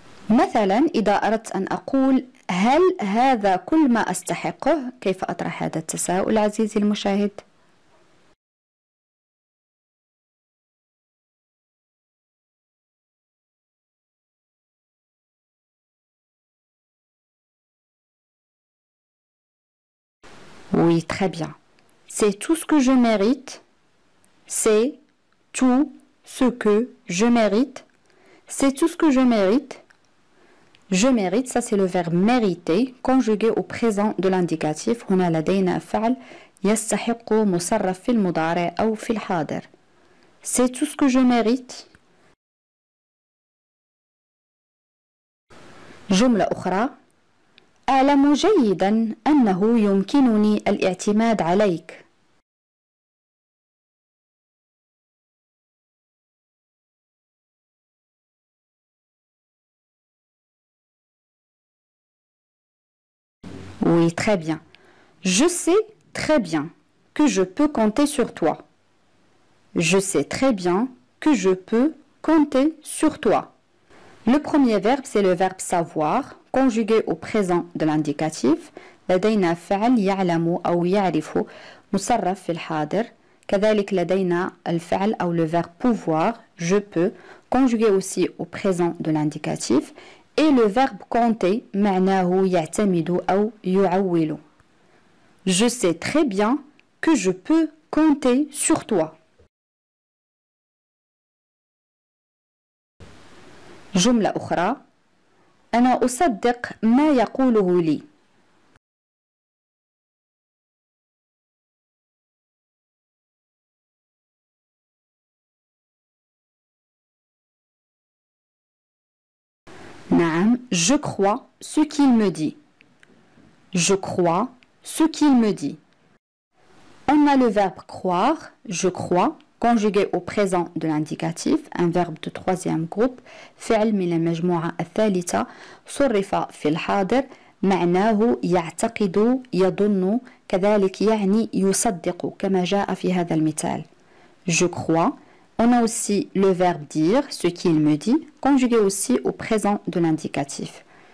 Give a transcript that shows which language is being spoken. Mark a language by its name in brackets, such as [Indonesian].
[Arabic] مثلا إذا أردت أن أقول هل هذا كل ما أستحقه؟ كيف أطرح هذا التساؤل عزيزي المشاهد؟ [French] Oui, très bien. C'est tout ce que je mérite. C'est tout ce que je mérite. C'est tout ce que je mérite. Je mérite, ça c'est le verbe mériter, conjugué au présent de l'indicatif. On a la [Arabic] deyna fa'al, yastahiqu musarraf fil mudari' ou fil hadir. [French] C'est tout ce que je mérite. [Arabic] Jumla ukhra. أعلم جيدا أنه يمكنني الاعتماد عليك. [French] Oui, très bien. Je sais très bien que je peux compter sur toi. Je sais très bien que je peux compter sur toi. Le premier verbe, c'est le verbe savoir. Conjugué au présent de l'indicatif, [Arabic] لدينا فعل يعلم أو يعرف مصرف في الحاضر. كذلك لدينا الفعل أو [French] le verbe pouvoir, je peux, conjugué aussi au présent de l'indicatif. Et le verbe compter, [Arabic] معناه يعتمد أو يعول. [French] Je sais très bien que je peux compter sur toi. [Arabic] جملة أخرى. أنا أصدق ما يقوله لي. نعم, [French] je crois ce qu'il me dit. Je crois ce qu'il me dit. On a le verbe croire, je crois. Conjugué au présent de l'indicatif, un verbe de troisième groupe, [Arabic] فعل من المجموعة الثالثة, صرف في الحاضر, معناه يعتقد, يظن, كذلك يعني يصدق, كما جاء في هذا المثال. [French] Je crois. On a aussi le verbe dire, ce qu'il me dit, conjugué aussi au présent de l'indicatif.